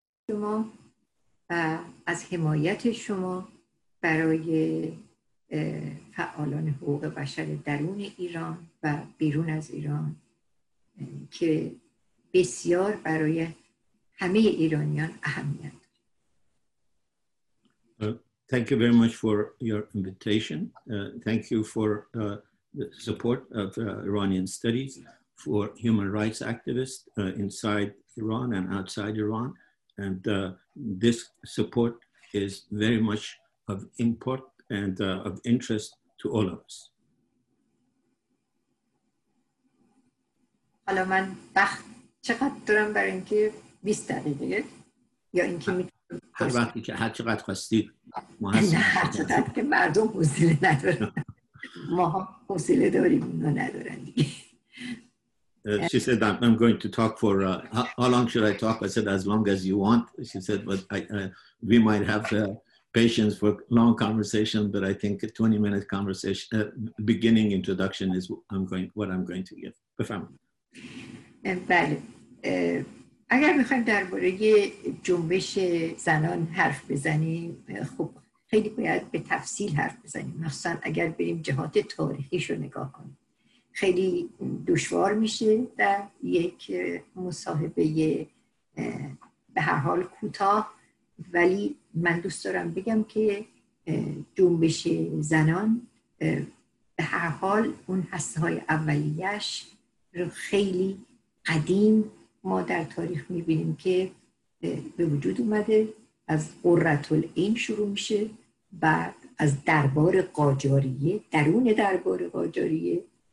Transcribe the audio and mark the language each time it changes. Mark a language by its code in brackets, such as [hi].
[fa] شما از حمایت شما برای فعالان حقوق بشر درون ایران و بیرون از ایران که بسیار برای همه ایرانیان اهمیت داره. [en] Thank you very much for your invitation. Thank you for the support of Iranian Studies for human rights activists inside Iran and outside Iran. And this support is very much of import and of interest to all of us. [fa] حالا من وقت چقدر دارم برای اینکه 20 دقیقه یا اینکه میتونم هر وقتی که هر چقدر خواستید ما هستم نه هر چقدر که مردم حوصله ندارم ما حوصله داریم اونو ندارن دیگه [en] She said, I'm going to talk for, how long should I talk? I said, as long as you want. She said, but we might have patience for long conversation, but I think a 20 minute conversation, beginning introduction is what I'm going to give. [fa] بفهم. بله. اگر میخوایم درباره جنبش زنان حرف بزنیم، خب خیلی باید به تفصیل حرف بزنیم. مخصوصا اگر بریم جهات تاریخیش رو نگاه کنیم. خیلی دشوار میشه در یک مصاحبه به هر حال کوتاه ولی من دوست دارم بگم که جنبش زنان به هر حال اون حسهای اولیش رو خیلی قدیم ما در تاریخ میبینیم که به وجود اومده از قرة‌العین شروع میشه بعد از دربار قاجاریه درون دربار قاجاریه